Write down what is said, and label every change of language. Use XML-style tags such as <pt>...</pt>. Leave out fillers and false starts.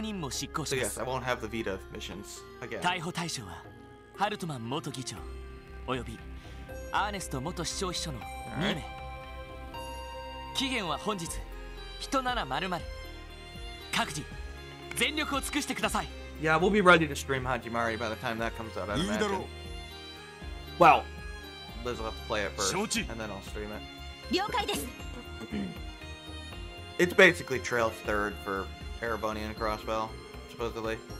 <en>So yes, I won't have the Vita missions again.</en> <ja>逮捕対象はハルトマン元議長およびアーネスト元市長秘書の2名。期限は本日1700。各自全力を尽くしてください。</ja> <en>Yeah, we'll be ready to stream Hajimari by the time that comes out, I'd imagine. Well, Liz will have to play it first, and then I'll stream it.</en> <ja>了解です。</ja> <en>It's basically Trail's third for Erebonian Crossbell, supposedly.</en>